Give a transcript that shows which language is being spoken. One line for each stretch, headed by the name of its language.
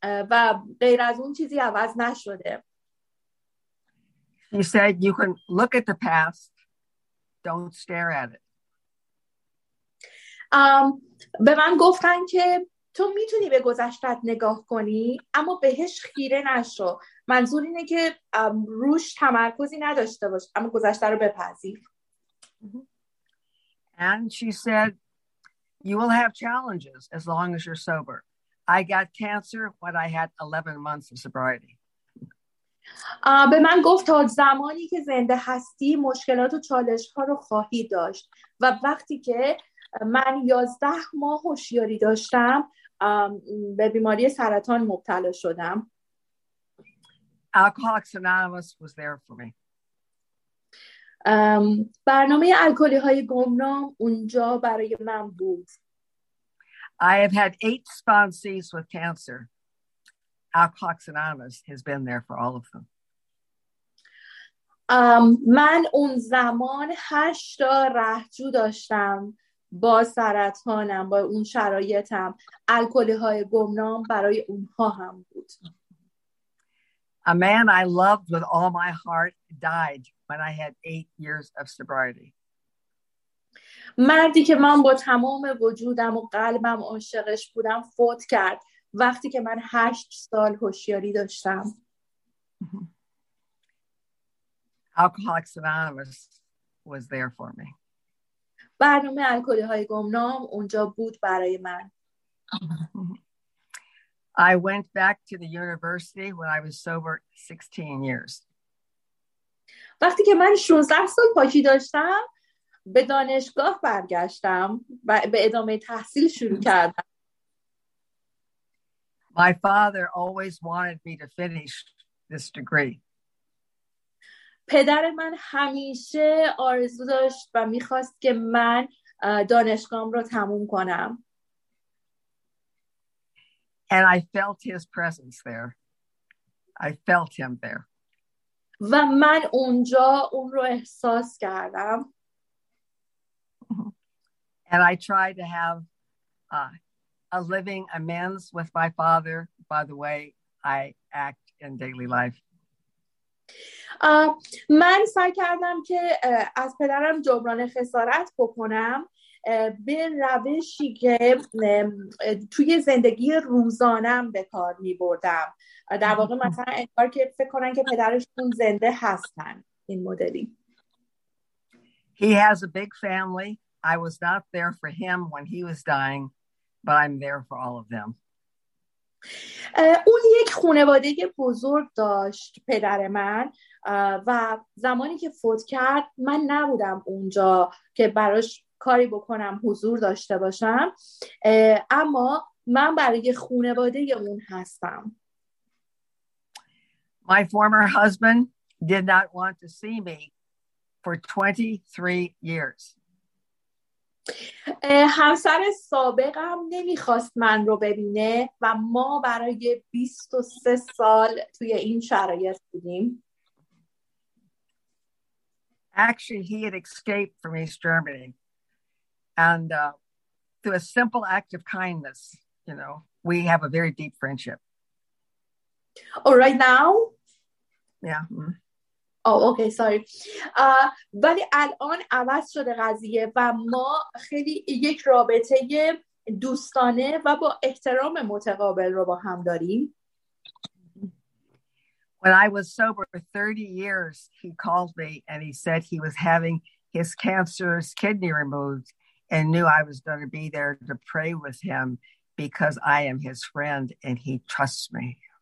Persian: و غیر از اون چیزی عوض نشده.
English: He said, "You can look at the past, don't stare at it."
Persian: به من گفتن که تو میتونی به گذشتت نگاه کنی، اما بهش خیره نشو. منظور اینه که روش تمرکزی نداشته باش، اما گذشته رو بپذیر.
English: And she said, "You will have challenges as long as you're sober. I got cancer when I had 11 months of sobriety."
Persian: به من گفت تا زمانی که زنده هستی مشکلات و چالش ها رو خواهی داشت، و وقتی که من 11 ماه هوشیاری داشتم به بیماری سرطان مبتلا شدم.
English: Alcoholics Anonymous was there for me.
Persian: برنامه الکلی های گمنام اونجا برای من بود.
English: I have had 8 sponsees with cancer. Alcoholics Anonymous has been there for all of them.
Persian: من اون زمان 8 رهجو داشتم با سرطانم، با اون شرایطم. الکلی های گمنام برای اونها هم بود.
English: A man I loved with all my heart died when I had 8 years of sobriety.
Persian: مردی که من با تمام وجودم و قلبم عاشقش بودم فوت کرد وقتی که من 8 سال هوشیاری داشتم.
English: Alcoholics Anonymous was there for me.
Persian: برنامه الکلی‌های گمنام اونجا بود برای من.
English: I went back to the university when I was sober 16 years.
Persian: وقتی که من 16 سال پاکی داشتم به دانشگاه برگشتم و به ادامه تحصیل شروع کردم.
English: My father always wanted me to finish this degree.
Persian: پدر من همیشه آرزو داشت و می‌خواست که من دانشگاهم رو تموم کنم.
English: And I felt his presence there. I felt him there.
Persian: و من اونجا اون رو احساس کردم.
English: And I tried to have a living amends with my father by the way I act in daily life.
Persian: من سعی کردم که از پدرم جبران خسارت بکنم به روشی که توی زندگی روزانم به کار می بردم. در واقع مثلا انگار که فکر کنن که پدرشون زنده هستن. این مدلی.
English: He has a big family. I was not there for him when he was dying, but I'm there for all of them.
Persian: اون یک خانواده بزرگ داشت پدر من و زمانی که فوت کرد من نبودم اونجا که براش کاری بکنم، حضور داشته باشم، اما من برای خانواده اون هستم.
English: My former husband did not want to see me for 23 years.
Persian: همسر سابقم نمیخواست من رو ببینه و ما برای 23 سال توی این شرایط بودیم.
English: Actually, he had escaped from East Germany. And through a simple act of kindness, you know, we have a very deep friendship. Oh, right now? Yeah. Oh, okay, sorry.
Persian: ولی الان عوض شده قضیه و ما خیلی یک رابطه دوستانه و با احترام متقابل رو با هم داریم.
English: When I was sober for 30 years, he called me and he said he was having his cancerous kidney removed and knew I was going to be there to pray with him because I am his friend and he trusts me.